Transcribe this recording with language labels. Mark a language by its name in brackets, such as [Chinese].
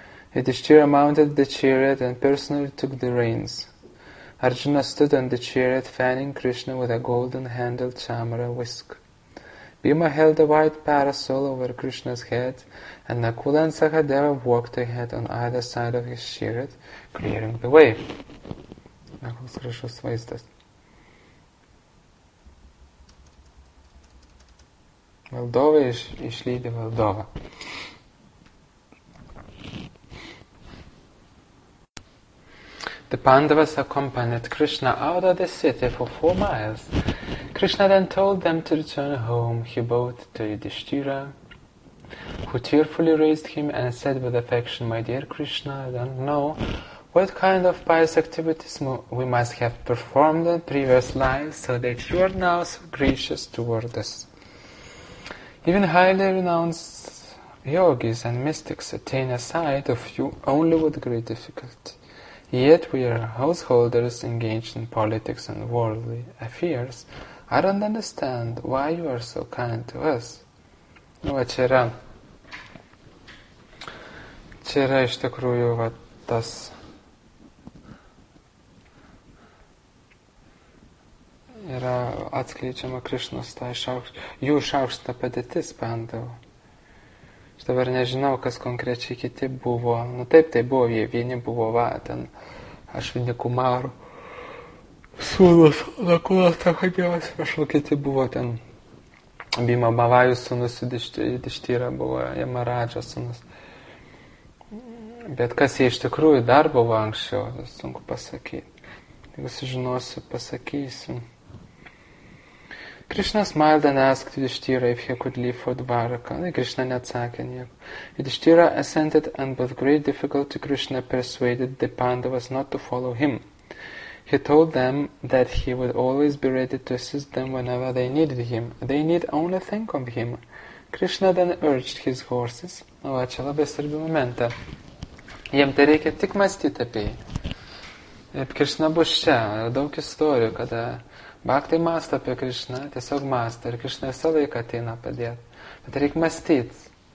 [English] Yudhishthira mounted the chariot and personally took the reins. Arjuna stood on the chariot, fanning Krishna with a golden-handled chamara whisk. Bhima held a white parasol over Krishna's head, and Nakula and Sahadeva walked ahead on either side of his chariot, clearing the way. Nakula's Krishna's vaizdas. [Lithuanian] Valdova išlydė valdova. [English] The Pandavas accompanied Krishna out of the city for 4 miles. Krishna then told them to return home. He bowed to Yudhishthira, who tearfully raised him and said with affection, "My dear Krishna, I don't know what kind of pious activities we must have performed in previous lives so that you are now so gracious toward us." Even highly renounced yogis and mystics attain a sight of you only with great difficulty. Yet we are householders engaged in politics and worldly affairs. I don't understand why you are so kind to us. [Lithuanian] Nu, va, čia yra iš tikrųjų, va, tas yra atskleidžiama Krišnos tą jų išaukštą padėtis pandavo. Aš dabar nežinau, kas konkrečiai kiti buvo. Nu, taip, tai buvo, jie vieni buvo, va, ten Ašvini Kumaru sūnus, Nakulas Sahadevas, prašau, kiti buvo ten Bhima Bhavaju sūnus, Yudhishthira buvo, Yamaraja sūnus. Bet kas jie iš tikrųjų dar buvo anksčiau, sunku pasakyti. Jeigu sužinosiu, pasakysiu. [English] Krishna smiled and asked Yudhishthira if he could leave for Dvaraka. [Lithuanian] Krishna neatsakė nieko. [English] Yudhishthira assented, and with great difficulty Krishna persuaded the Pandavas not to follow him. He told them that he would always be ready to assist them whenever they needed him. They need only think of him. Krishna then urged his horses. [Lithuanian] O, čia labai svarbi momentą. Jiem tai reikia tik mąstyti apie jį. Ir Krishna bus čia. Daug istorijų, kada Bhaktai masto apie Krishna, tiesiog masto, ir Krishna visą laiką ateina padėti. Bet reikia mąstyti.